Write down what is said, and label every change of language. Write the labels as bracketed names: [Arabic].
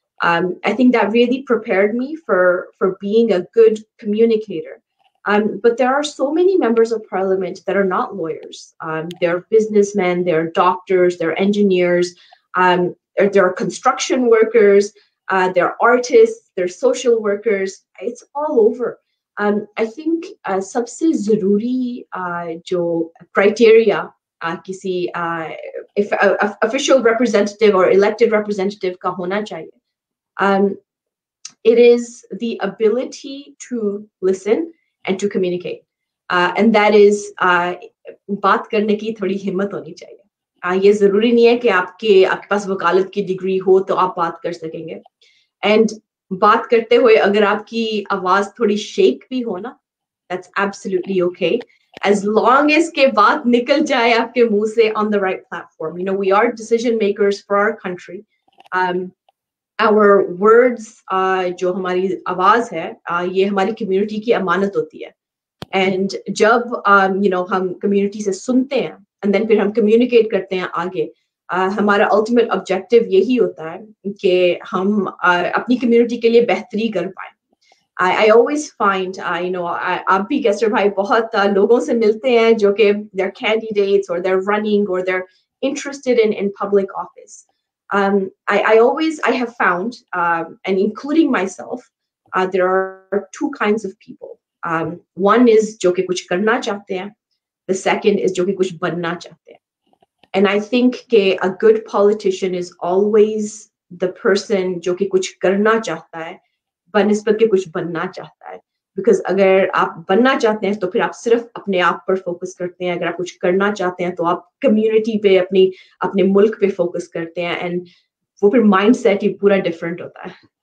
[English] I think that really prepared me for being a good communicator. But there are so many members of parliament that are not lawyers. They're businessmen, they're doctors, they're engineers, they're construction workers, they're artists, they're social workers. It's all over. I think [Hindi] sabse zaruri jo criteria किसी official representative और elected representative का होना चाहिए. [English] it is the ability to listen and to communicate, and that is [Hindi] बात करने की थोड़ी हिम्मत होनी चाहिए. ये जरूरी नहीं है कि आपके पास वकालत की डिग्री हो तो आप बात कर सकेंगे. एंड बात करते हुए अगर आपकी आवाज थोड़ी शेक भी हो ना, [English] That's absolutely okay. As long as [Hindi] ke baat nikal jaye aapke muh se [English] on the right platform, you know, we are decision makers for our country. Our words [Hindi] jo hamari awaaz hai ye hamari community ki amanat hoti hai. And जब you know हम community से सुनते हैं and then फिर हम communicate करते हैं आगे, हमारा अल्टीमेट ऑब्जेक्टिव यही होता है कि हम अपनी कम्युनिटी के लिए बेहतरी कर पाए. [English] I always find you know [Hindi] आप भी कैस्टर भाई बहुत लोगों से मिलते हैं जो कि [English] They're candidates और they're running और they're interested in public office. I have found, and including myself, there are two kinds of people. One is [Hindi] जो कि कुछ करना चाहते हैं, [English] the second is [Hindi] जो कि कुछ बनना चाहते हैं. [English] And I think [Hindi] के [English] a good politician is always the person [Hindi] जो कि कुछ करना चाहता है बनिस्बत के कुछ बनना चाहता है. [English] Because [Hindi] अगर आप बनना चाहते हैं तो फिर आप सिर्फ अपने आप पर फोकस करते हैं, अगर आप कुछ करना चाहते हैं तो आप कम्युनिटी पे अपनी अपने मुल्क पे फोकस करते हैं, एंड वो फिर माइंडसेट ही पूरा डिफरेंट होता है.